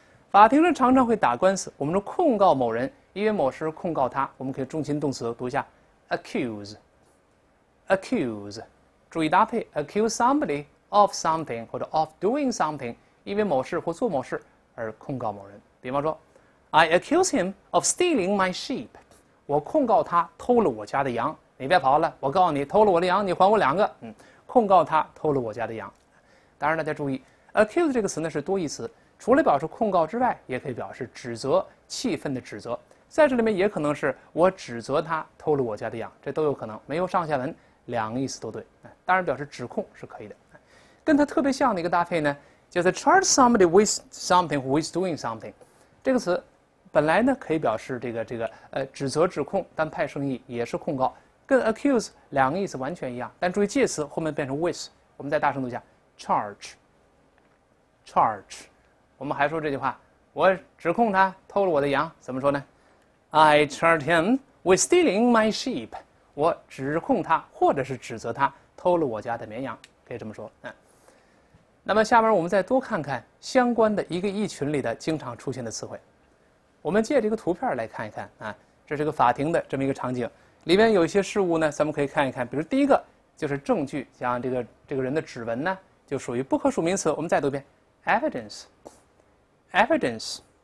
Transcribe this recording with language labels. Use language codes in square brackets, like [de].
[zh] 法庭上常常会打官司，我们说控告某人，因为某事控告他，我们可以重心动词读一下 accuse， accuse， 注意搭配 [en] accuse somebody of something [zh] 或者 [en] of doing something， [zh] 因为某事或做某事而控告某人。比方说 [en] I accuse him of stealing my sheep. [zh] 我控告他偷了我家的羊。你别跑了，我告诉你，偷了我的羊，你还我两个。控告他偷了我家的羊。当然，大家注意 ，accuse 这个词呢是多义词，除了表示控告之外，也可以表示指责、气愤的指责。在这里面也可能是我指责他偷了我家的羊，这都有可能，没有上下文，两个意思都对。当然，表示指控是可以的。跟它特别像的一个搭配呢，就是 [en] charge somebody with something who is doing something。 [zh] 这个词本来呢可以表示这个指责指控，但派生意也是控告，跟 accuse 两个意思完全一样，但注意介词后面变成 with。我们再大声读一下 charge， charge。我们还说这句话，我指控他偷了我的羊，怎么说呢？ [en] I charge him with stealing my sheep。 [zh] 我指控他或者是指责他偷了我家的绵羊，可以这么说。那么下面我们再多看看相关的一个一群里的经常出现的词汇。我们借这个图片来看一看啊，这是个法庭的这么一个场景，里面有一些事物呢，咱们可以看一看。比如第一个就是证据，像这个人的指纹呢，就属于不可数名词。我们再读一遍 ，evidence， evidence。